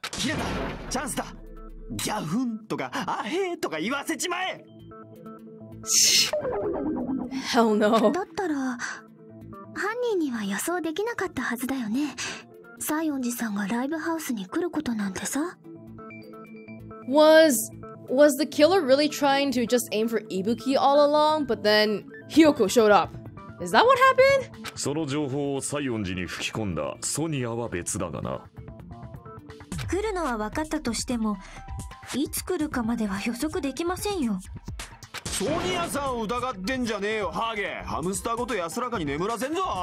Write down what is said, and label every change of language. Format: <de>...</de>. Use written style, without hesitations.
<ja>切れた、チャンスだ。ギャフンとかアヘーとか言わせちまえ。</ja> <en>Hell no.</en> <ja>だったら犯人には予想できなかったはずだよね。西園寺さんがライブハウスに来ることなんてさ。</ja> <en>Was the killer really trying to just aim for Ibuki all along, but then Hyoko showed up? Is that what happened?</en> <ja>その情報を西園寺に吹き込んだソニアは別だがな。来るのは分かったとしてもいつ来るかまでは予測できませんよ。ソニアさんを疑ってんじゃねえよハゲ。ハムスターごと安らかに眠らせんぞ。</ja>